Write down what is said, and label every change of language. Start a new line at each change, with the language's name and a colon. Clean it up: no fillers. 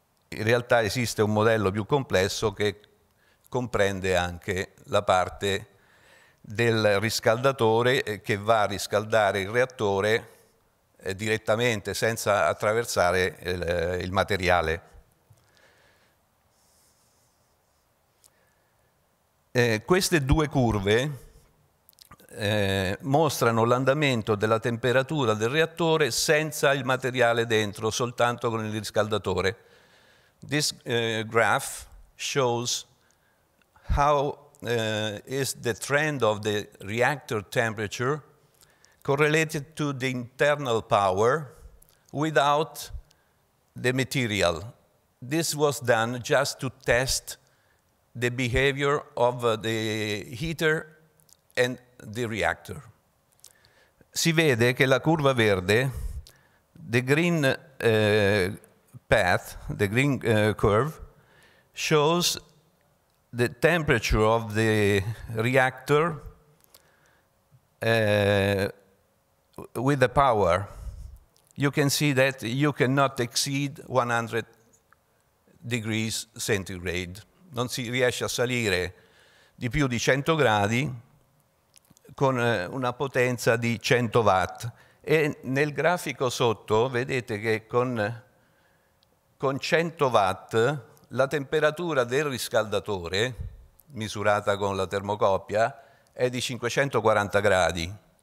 Italian: In realtà esiste un modello più complesso che comprende anche la parte del riscaldatore che va a riscaldare il reattore direttamente senza attraversare il materiale. Queste due curve mostrano l'andamento della temperatura del reattore senza il materiale dentro, soltanto con il riscaldatore.
English: This graph shows how is the trend of the reactor temperature correlated to the internal power without the material. This was done just to test the behavior of the heater and the reactor.
Italian: Si vede che la curva verde,
English: the green path, the green curve, shows the temperature of the reactor with the power. You can see that you cannot exceed 100 degrees centigrade.
Italian: Non si riesce a salire di più di 100 gradi con una potenza di 100 watt. E nel grafico sotto vedete che con 100 watt la temperatura del riscaldatore, misurata con la termocoppia, è di 540 gradi.